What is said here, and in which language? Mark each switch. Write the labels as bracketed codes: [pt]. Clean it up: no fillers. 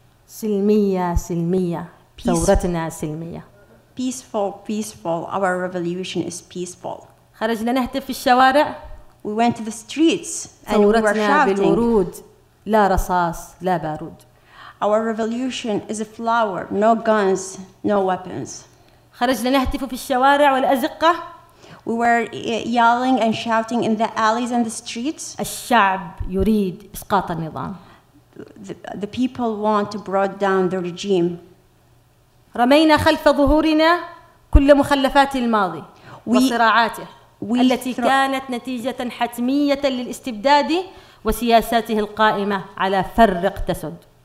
[ar] سلمية سلمية. ثورتنا سلمية. [en] Peaceful, peaceful. Our revolution is peaceful. [ar] خرجنا نهتف في الشوارع. [en] We went to the streets and we were shouting. [ar] ثورتنا بالورود. لا رصاص لا بارود. [en] Our revolution is a flower. No guns, no weapons. [ar] خرجنا نهتف في الشوارع والأزقة. [en] We were yelling and shouting in the alleys and the streets. [ar] الشعب يريد إسقاط النظام. [en] The people want to break down the regime. [ar] رمينا خلف ظهورنا كل مخلفات الماضي وصراعاته التي كانت نتيجة حتمية للاستبداد وسياساته القائمة على فرق تسد.